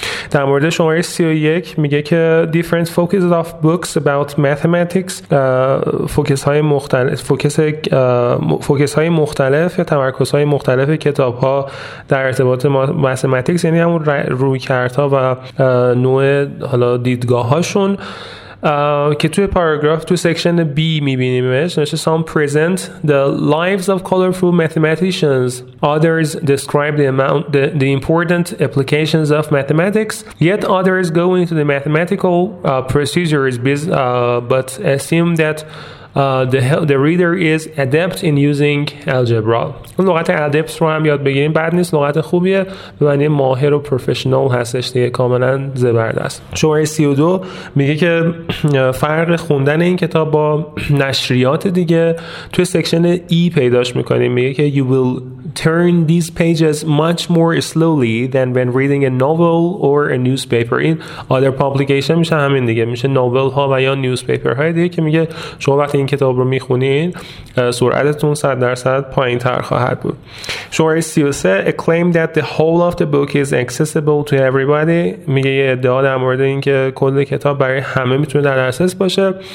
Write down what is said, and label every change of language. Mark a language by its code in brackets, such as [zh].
[fa] در مورد شماره 31 میگه که [en] different focuses of books about mathematics، [fa] فوکس های مختلف یا تمرکز های مختلف کتاب ها در ارتباط mathematics، یعنی همون رویکردها و نوع حالا دیدگاه هاشون که توی پاراگراف توی سیکشن B میبینیمش. [en] نشه some present the lives of colorful mathematicians, others describe the important applications of mathematics, yet others go into the mathematical procedures but assume that the reader is adept in using algebra. [fa] لغت adept رو هم یاد بگیریم بد نیست، لغت خوبیه، یعنی ماهر و پروفشنال هستش دیگه، کاملا زبردست. شماره 32 میگه که فرق خوندن این کتاب با نشریات دیگه توی سکشن E پیداش میکنیم. میگه که [en] you will turn these pages much more slowly than when reading a novel or a newspaper. [fa] این [en] other publication [fa] میشه همین دیگه، میشه نوول ها و یا نیوزپیپر های دیگه، که میگه شما وقتی این کتاب رو میخونین سرعتتون 100% پایین تر خواهد بود. شماره [en] 33 a claim that the whole of the book is accessible to everybody. [fa] میگه یه ادعا در مورد این که کل کتاب برای همه میتونه در دسترس باشه.